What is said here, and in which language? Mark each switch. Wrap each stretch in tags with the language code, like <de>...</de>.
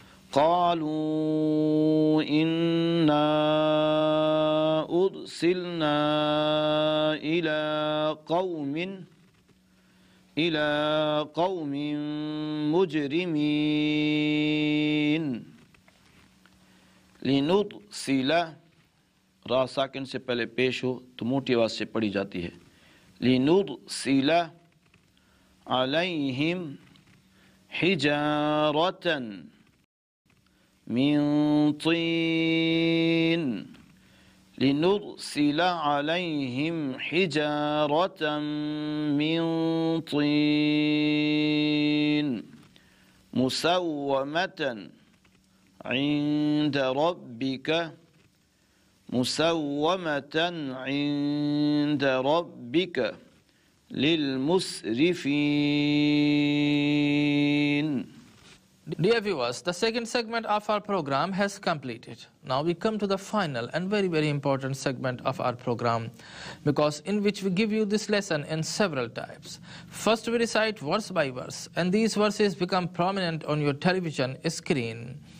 <ar>قالوا انا ارسلنا الى قوم الى قوم مجرمين لنرسل.</ar> <ur>را ساکن سے پہلے پیش ہو تو موٹی آواز سے پڑھی جاتی ہے.</ur> <ar>لنرسل عليهم حجارة من طين لنرسل عليهم حجارة من طين مسومة عند ربك مسومة عند ربك للمسرفين.</ar> <en>Dear viewers, the second segment of our program has completed. Now we come to the final and very, very important segment of our program, because in which we give you this lesson in several types. First, we recite verse by verse, and these verses become prominent on your television screen.</en>